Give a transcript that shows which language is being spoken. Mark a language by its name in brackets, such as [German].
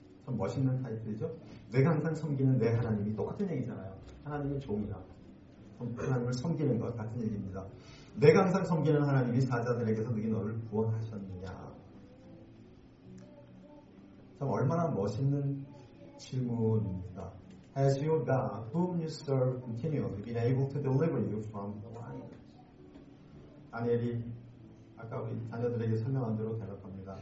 [Korean] 참 멋있는 타이틀이죠. 내가 항상 섬기는 내 하나님이 똑같은 얘기잖아요. 하나님의 종이라. 하나님을 섬기는 것 같은 얘기입니다. 내가 항상 섬기는 하나님이 사자들에게서 능히 너를 구원하셨느냐. 참 얼마나 멋있는 질문입니다. [English] As you God, whom you serve continually, be able to deliver you from the lion. [Korean] 다니엘이 아까 우리 자녀들에게 설명한 대로 대답합니다.